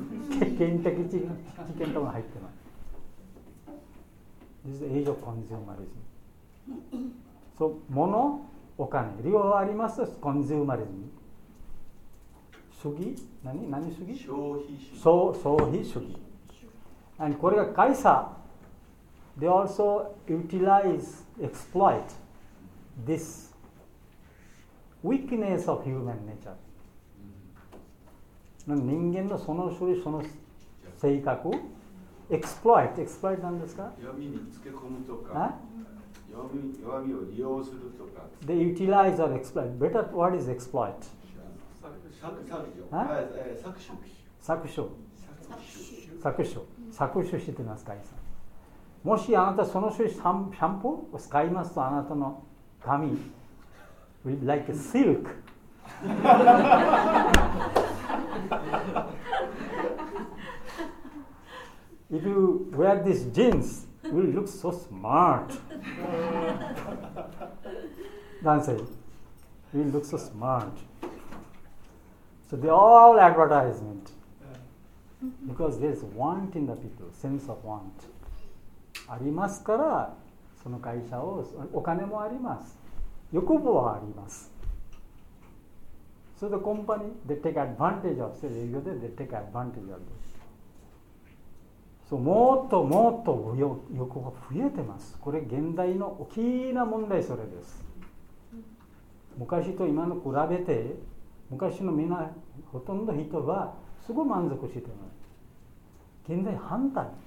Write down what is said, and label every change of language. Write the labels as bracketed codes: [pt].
[ja] 経験的知見とも入ってます。 [en] This is the age of consumerism. So, [ja] 物、お金、利用はありますと、コンシューマリズム。主義、何主義？消費主義。消費主義。 [en] And [ja] これが会社、 [en] they also utilize, exploit this weakness of human nature. [ja] ん、人間のその種類その性格をエクスプロイト、エクスプロイトなんですか、弱みにつけ込むとか、弱みを利用するとか、で、ユーティライザーをエクスプロイト、 [en] better word is [ja] エクスプロイト、搾取してます、カイさん。もしあなたその種シャンプーを使いますと、あなたの髪 [en] will be like a silk。 If you wear these jeans, will look so smart. [ja] 男性 [en] will look so smart. So they all advertisement. Because there's want in the people, sense of want. [ja] ありますから、その会社を、お金もあります。欲望はあります。 [en] So the company, they take advantage of, say, they take advantage of this. So, [ja] もっともっと欲望が増えてます。これ、現代の大きな問題、それです。昔と今の比べて、昔のみんな、ほとんど人は、すごい満足してます。現代反対。